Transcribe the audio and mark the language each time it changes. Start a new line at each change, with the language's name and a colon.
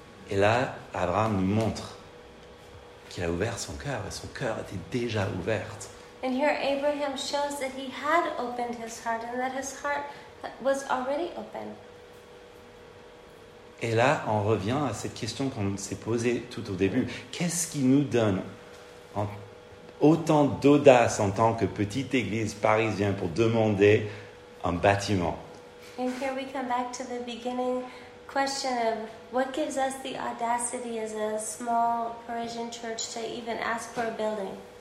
French: Et là, Abraham nous montre qu'il a ouvert son cœur, et son cœur était déjà ouvert.
English: And here Abraham shows that he had opened his heart, and that his heart was already open.
French: Et là, on revient à cette question qu'on s'est posée tout au début. Qu'est-ce qui nous donne autant d'audace en tant que petite église parisienne pour demander un bâtiment?
English: And here we come back to the beginning question of what gives us the audacity as a small Parisian church to even ask for a building?